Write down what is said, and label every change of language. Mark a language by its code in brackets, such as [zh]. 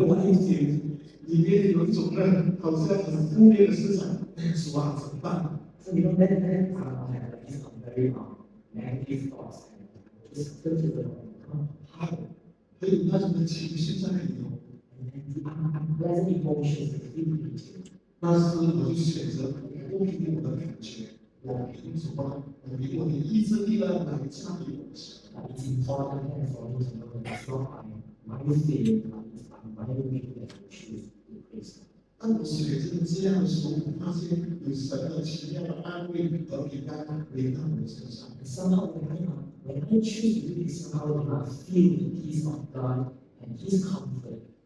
[zh] wife， 里面有一种呢，好像很负面的思想，是吧？怎么办 [en] ？So you know that that time I had this very negative thoughts， just filled with [zh] hate， 还有那种的情绪在里头。 [en] Unpleasant emotions and feelings. [zh] 但是我就选择不凭我的感觉，我凭什么？我凭我的意志力来驾驭我的心。 [en] It's important that for me to know that so I my feelings and my emotions to face. [zh] 当我选择这样的时候，我发现有神的奇妙的安慰和平安临到我身上。 [en] Somehow when I choose to face, somehow I feel the peace of God and His comfort.